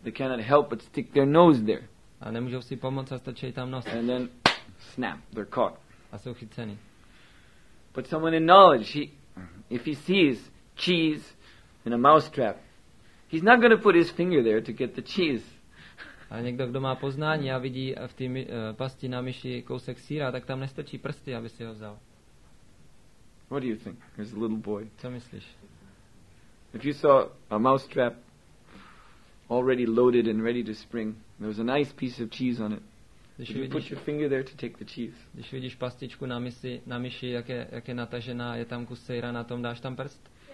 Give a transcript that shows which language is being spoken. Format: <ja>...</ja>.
<en>They cannot help but stick their nose there.</en> <cs>A nemůžou si pomoct a stačí tam nos.</cs> <en>And then snap, they're caught.</en> <cs>A jsou chyceni.</cs> <en>But someone in knowledge, if he sees cheese in a mouse trap, he's not going to put his finger there to get the cheese.</en> <cs>A někdo, kdo má poznání a vidí v té pasti na myši kousek síra, tak tam nestrčí prsty, aby si ho vzal.</cs> <en>What do you think? There's a little boy.</en> <cs>Co myslíš?</cs> <en>If you saw a mouse trap already loaded and ready to spring, there was a nice piece of cheese on it.</en> <cs>Když</cs> <en>you put your finger there to take the cheese.</en> <cs>Když vidíš pastičku na myši, jak je natažená, je tam kus sýra na tom, dáš tam prst?</cs>